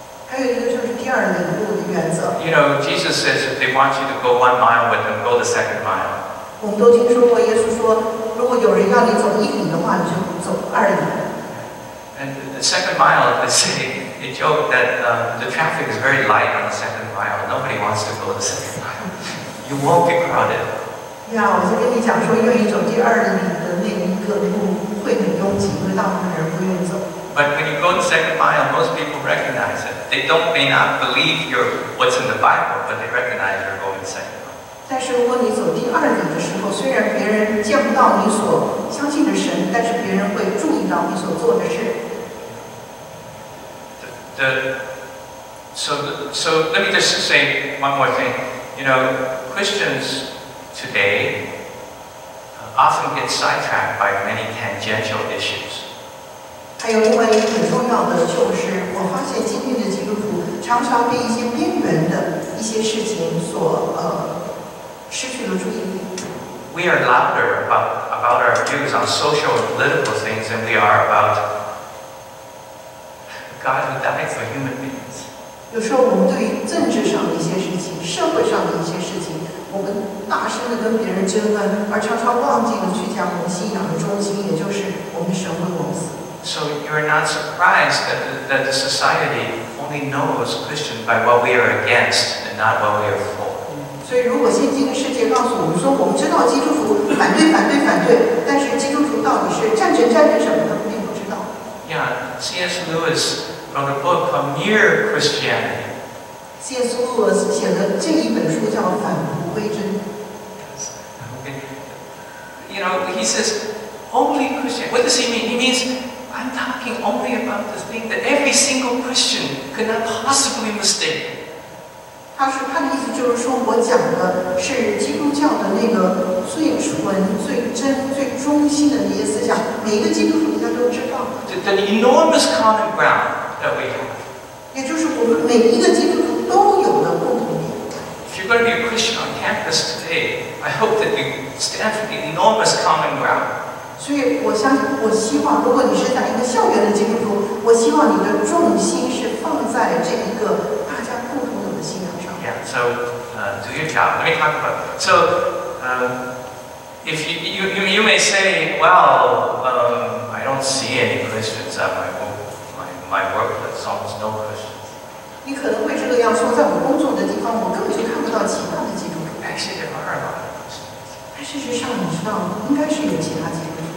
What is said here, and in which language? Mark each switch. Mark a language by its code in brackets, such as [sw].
[zh] 还有一个就是第二个领悟的原则。 [en] You know, Jesus says if they want you to go 1 mile with them, go the second mile. [zh] 我们都听说过耶稣说，如果有人要你走1里的话，你就走2里。 [en] And the second mile, they say, they joke that the traffic is very light on the second mile. Nobody wants to go the second mile. You won't get crowded. [zh] Yeah, 我就跟你讲说，愿意走第二里的那一个路会很拥挤，因为大部分人不愿意走。 [en] But when you go to second mile, most people recognize it. They don't, may not believe your, what's in the Bible, but they recognize you're going second mile. [zh] 但是如果你走第二里的时候，虽然别人见不到你所相信的神，但是别人会注意到你所做的事。 [en] So let me just say one more thing. You know, Christians today often get sidetracked by many tangential issues. [zh] 还有另外一个很重要的就是，我发现今天的基督徒常常被一些边缘的一些事情所失去了注意力。 [en] We are louder about our views on social and political things than we are about God who died for human beings. [zh] 有时候我们对政治上的一些事情、社会上的一些事情，我们大声地跟别人争论，而常常忘记了去讲我们信仰的中心，也就是我们神为我们死。 [en] So you are not surprised that the society only knows Christians by what we are against and not what we are for. [zh] 所以如果现今的世界告诉我们说我们知道基督徒反对反对反对，但是基督徒到底是战争战争什么的，我们并不知道。 [en] Yeah, C.S. Lewis wrote a book called Mere Christianity. [zh] C.S. Lewis 写的这一本书叫《返璞归真》。 [en] Okay. You know, he says only Christian. What does he mean? He means I'm talking only about the thing that every single Christian could not possibly mistake. [zh] 他说他的意思就是说我讲的是基督教的那个最纯、最真、最忠心的那些思想，每一个基督徒应该都知道。 [en] The enormous common ground that we have. [zh] 也就是我们每一个基督徒都有的共同点。 [en] If you're going to be a Christian on campus today, I hope that you stand for the enormous common ground. [zh] 所以我相信，我希望如果你是在一个校园的基督徒，我希望你的重心是放在这一个大家共同的信仰上。 [en] Yeah, so do your job. Let me talk about. So, if you may say, well, I don't see any Christians at my workplace, almost no Christians. [zh] 你可能会这个样说，在我工作的地方，我根本就看不到其他的基督徒。 [en] Actually, there are a lot of Christians. [zh] 但事实上，你知道，应该是有其他基督徒。